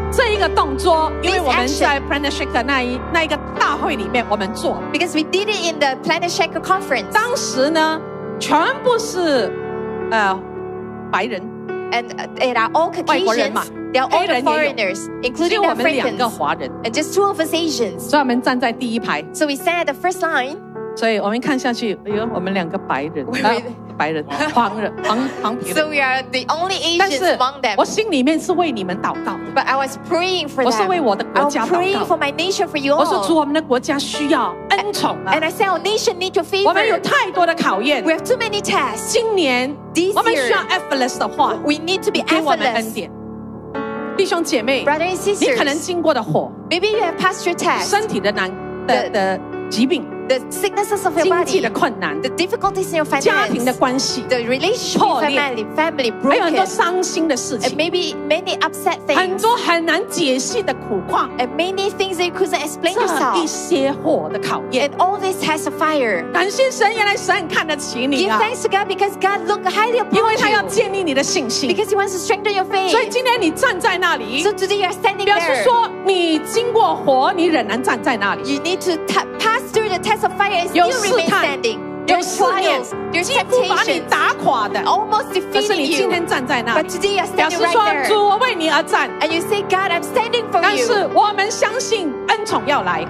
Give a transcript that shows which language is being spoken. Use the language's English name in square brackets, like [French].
[Chinese] 这一个动作，因为我们在 Planet Shaker 那一个大会里面我们做。 [English] Because we did it in the Planet Shaker conference. [Chinese] 当时呢，全部是，白人 [English] and they are all Caucasians. They are all the foreigners, including the Africans. And just two of us Asians. [Chinese] 所以我们站在第一排。 [English] So we stand at the first line. [Chinese] 所以我们看下去，哎呦，我们两个白人，白人，黄人，黄皮人。 [English] So we are the only Asians among them. [Chinese] 我心里面是为你们祷告。 [English] But I was praying for them. [Chinese] 我是为我的国家祷告。 [English] I'm praying for my nation for you all. [Chinese] 我说主，我们的国家需要恩宠。 [English] And I said our nation needs your favor. [Chinese] 我们有太多的考验。 [English] We have too many tests. [Chinese] 今年。 [English] Year, [Chinese] 我们需要 effortless 的话 [English] we need to be effortless. [Chinese] 给我们恩典弟兄姐妹 [English] Brother and sisters, [Chinese] 你可能经过的火 [English] maybe you have passed your test, [Chinese] 身体的难 的疾病 [English] the sicknesses of your body, [Chinese] 经济的困难 [English] the difficulties in your finance, [Chinese] 家庭的关系 [English] the relationship with family broken, [Chinese] 还有很多伤心的事情 [English] and maybe many upset things, [Chinese] 很多很难解释的苦况 [English] and many things that you couldn't explain yourself, [Chinese] 这一些火的考验 [English] and all this has a fire, [Chinese] 感谢神原来神看得起你、啊、 [English] give thanks to God because God look highly upon you, [Chinese] 因为他要建立你的信心 [English] because he wants to strengthen your faith, [Chinese] 所以今天你站在那里 [English] so today you are standing there, [Chinese] 表示说你经过火你仍然站在那里 [English] you need to pass through the test of fire and still remain standing. Your trials, your temptations, almost defeating you. But today you are standing right there. [Chinese] 表示说主我为你而站 [English] And you say God I'm standing for you. [Chinese] 但是我们相信恩宠要来